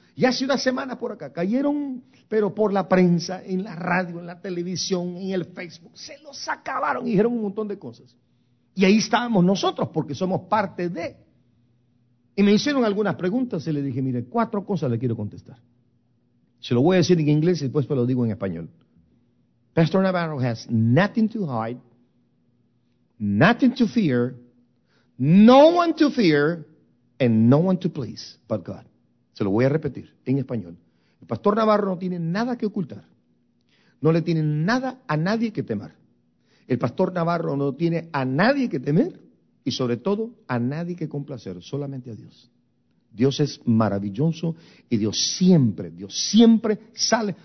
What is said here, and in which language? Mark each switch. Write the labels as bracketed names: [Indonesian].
[Spanish] Y hace una semana por acá cayeron, pero por la prensa, en la radio, en la televisión, en el Facebook. Se los acabaron y dijeron un montón de cosas. Y ahí estábamos nosotros, porque somos parte de. Y me hicieron algunas preguntas y le dije, mire, cuatro cosas le quiero contestar. Se lo voy a decir en inglés y después lo digo en español. [English] Pastor Navarro has nothing to hide, nothing to fear, no one to fear, and no one to please but God. [Spanish] Se lo voy a repetir en español. El pastor Navarro no tiene nada que ocultar. No le tiene nada a nadie que temer. El pastor Navarro no tiene a nadie que temer y sobre todo a nadie que complacer, solamente a Dios. Dios es maravilloso y Dios siempre sale.